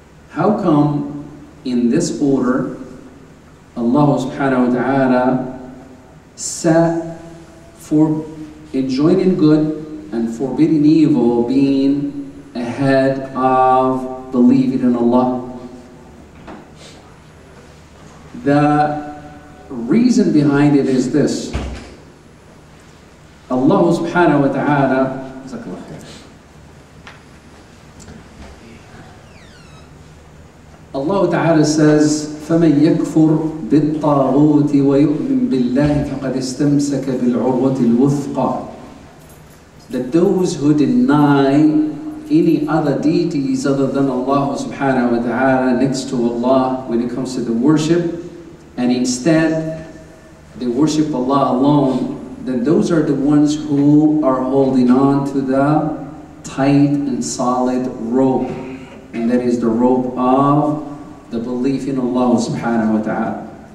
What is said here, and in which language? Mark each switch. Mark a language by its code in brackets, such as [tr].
[en] How come in this order Allah Subhanahu wa Ta'ala set for enjoining good and forbidding evil being ahead of believing in Allah? The reason behind it is this. Allah subhanahu wa ta'ala, Allah ta'ala says, [ar] فَمَنْ يَكْفُرْ بِالطَّاغُوتِ وَيُؤْمِنْ بِاللَّهِ فَقَدْ اسْتَمْسَكَ بِالْعُرْوَةِ الْوُثْقَى. [en] That those who deny any other deities other than Allah subhanahu wa ta'ala next to Allah when it comes to the worship, and instead they worship Allah alone, then those are the ones who are holding on to the tight and solid rope, and that is the rope of the belief in Allah subhanahu wa ta'ala.